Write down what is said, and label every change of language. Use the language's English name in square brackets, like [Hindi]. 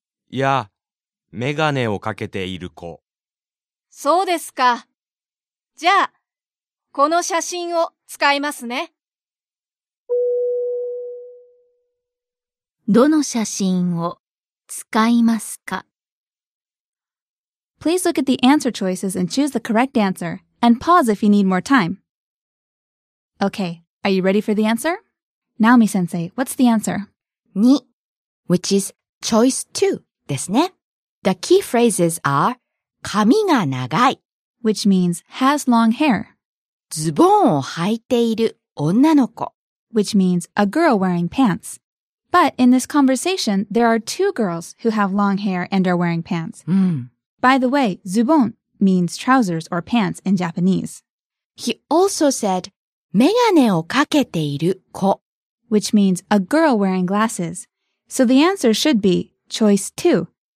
[Japanese] いや、メガネをかけている子。そうですか。じゃあ、この写真を使いますね。どの写真を使いますか？ [English] Please look at the answer choices and choose the correct answer, and pause if you need more time. Okay, are you ready for the answer? Naomi-sensei, what's the answer? に, which is choice 2, [Japanese] ですね。 [English] The key phrases are [Japanese] 髪が長い, [English] which means has long hair. [Japanese] ズボンを履いている女の子, [English] which means a girl wearing pants. But in this conversation, there are two girls who have long hair and are wearing pants. By the way, zubon means trousers or pants in Japanese. He also said, [Japanese] megane をかけている子, [English] which means a girl wearing glasses. So the answer should be choice two.